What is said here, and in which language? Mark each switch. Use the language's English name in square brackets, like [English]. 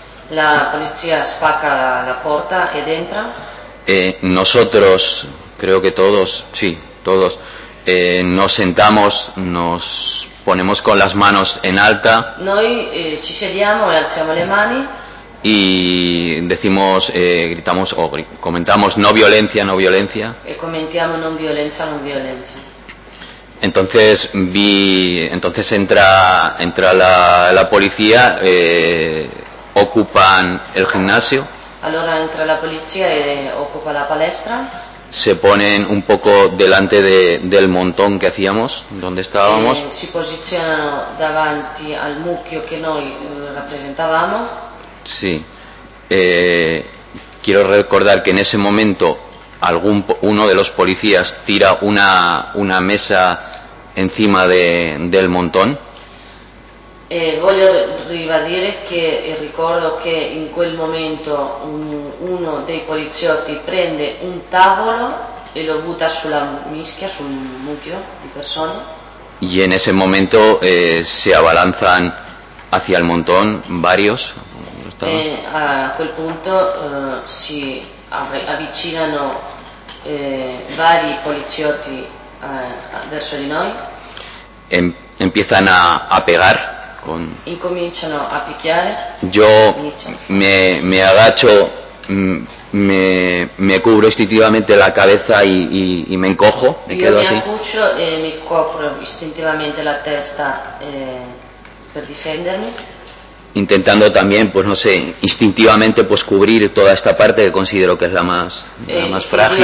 [Spanish] La policía [Italian] spacca [Spanish] la puerta ed entra. Nosotros, creo que todos, sí, todos, nos sentamos, nos ponemos con las manos en alta. [Italian] Noi ci sediamo e alziamo le mani. [Spanish] Y decimos, gritamos o comentamos no violencia, no violencia. [Italian] E commentiamo non violenza, non violenza. [Spanish] Entonces entra la policía, ocupan el gimnasio. [Italian] Allora entra la polizia e occupa la palestra. [Spanish] Se ponen un poco delante de, del montón que hacíamos, donde estábamos. [Italian] Si posizionano davanti al mucchio che noi rappresentavamo. [Spanish] Sí. Quiero recordar que en ese momento algún uno de los policías tira una mesa encima de, del montón. [Italian] Voglio ribadire che ricordo che in quel momento uno dei poliziotti prende un tavolo e lo butta sulla mischia, sul mucchio di persone. [Spanish] Y en ese momento se abalanzan hacia el montón varios. [Italian] A quel punto si avvicinano vari poliziotti verso di noi. [Spanish] Empiezan a pegar. [Italian] Incominciano a picchiare. [Spanish] Yo me agacho, me cubro instintivamente la cabeza y me encojo, me Yo quedo me así. Mi acucho y me cubro instintivamente [Italian] la testa per difendermi. [Spanish] Intentando también, pues no sé, instintivamente pues cubrir toda esta parte que considero que es la más frágil.